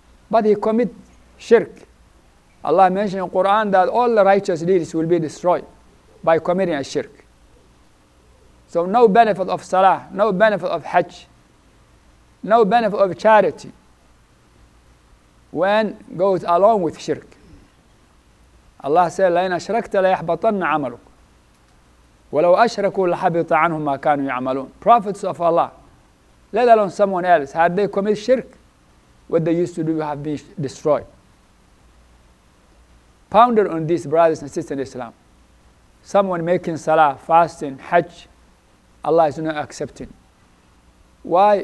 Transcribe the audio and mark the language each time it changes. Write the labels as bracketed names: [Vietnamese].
[English] But he commits shirk. Allah mentioned in the Quran that all the righteous deeds will be destroyed by committing a shirk. So no benefit of salah, no benefit of hajj, no benefit of charity when goes along with shirk. Allah said, [Arabic] لَإِنْ أَشْرَكْتَ لَيَحْبَطَنَّ عَمَلُكَ وَلَوْ أَشْرَكُوا لَحَبِطَ عَنْهُمْ مَا كَانُوا يَعْمَلُونَ. [English] Prophets of Allah, let alone someone else, had they committed shirk, what they used to do would have been destroyed. Ponder on this, brothers and sisters in Islam. Someone making salah, fasting, hajj, Allah is not accepting. Why?